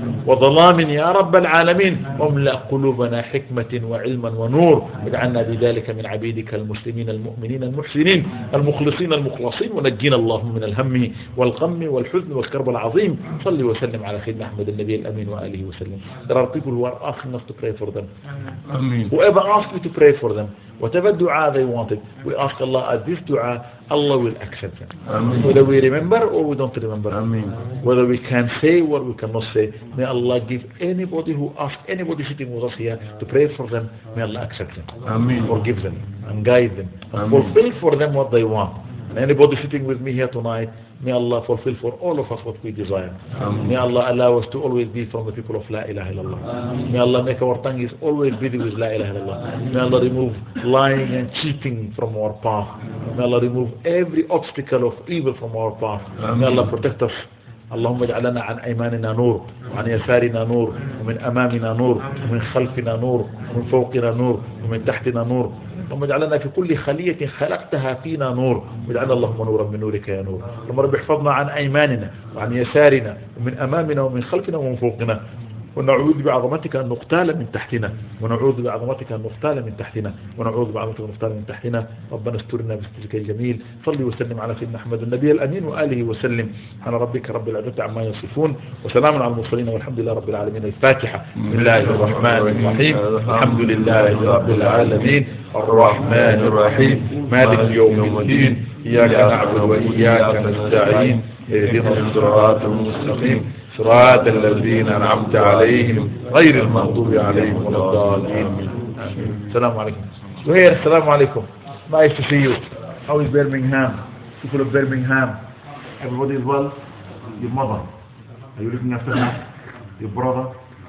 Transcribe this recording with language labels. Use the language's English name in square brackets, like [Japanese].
[Arabic] وظلام يا رب العالمين واملأ قلوبنا حكمة وعلما ونور اجعلنا بذلك من عبيدك المسلمين المؤمنين المحسنين المخلصين المخلصين ونجينا اللهم من الهم والغم والحزن والكرب العظيم صل وسلم على سيدنا أحمد النبي الأمين وآله وسلم [English] There are people who are asking us to pray for them. Amen. Whoever asks you to pray for them, whatever dua they wanted, we ask Allah as this dua, Allah will accept them. Amen. Whether we remember or we don't remember. Amen. Whether we can say what we cannot say, may Allah give anybody who asks, anybody sitting with us here to pray for them, may Allah accept them. Amen. Forgive them and guide them. And fulfill for them what they want. Anybody sitting with me here tonight, May Allah fulfill for all of us what we desire. Amen. May Allah allow us to always be from the people of La ilaha illallah. Amen. May Allah make our tongues always busy with La ilaha illallah. Amen. May Allah remove lying and cheating from our path. Amen. May Allah remove every obstacle of evil from our path. Amen. May Allah protect us. [Arabic] اللهم اجعل لنا عن ايماننا نور وعن يسارنا نور ومن امامنا نور ومن خلفنا نور ومن فوقنا نور ومن تحتنا نور اللهم اجعل لنا في كل خليه خلقتها فينا نور واجعلنا اللهم نورا من نورك يا نور اللهم رب احفظنا عن ايماننا وعن يسارنا ومن امامنا ومن خلفنا ومن فوقنا ونعوذ بعظمتك ان نقتال من تحتنا ونعوذ بعظمتك ان نقتال من تحتنا ونعوذ بعظمتك ان نقتال من تحتنا ربنا استرنا بسترك الجميل صل وسلم على سيدنا احمد النبي الامين واله وسلم على ربك رب العزه عما يصفون وسلام على المرسلين والحمد لله رب العالمين الفاتحه بسم الله الرحمن الرحيم الحمد لله رب العالمين الرحمن الرحيم مالك يوم الدين اياك نعبد واياك نستعين اهدنا الصراط المستقيم صراط الذين أنعمت عليهم غير المغضوب عليهم ولا الضالين السلام عليكم [English] زهير [Arabic] السلام عليكم [English] Nice to see you How is Birmingham? People of Birmingham Everybody is well Your mother Are you looking after me? Your brother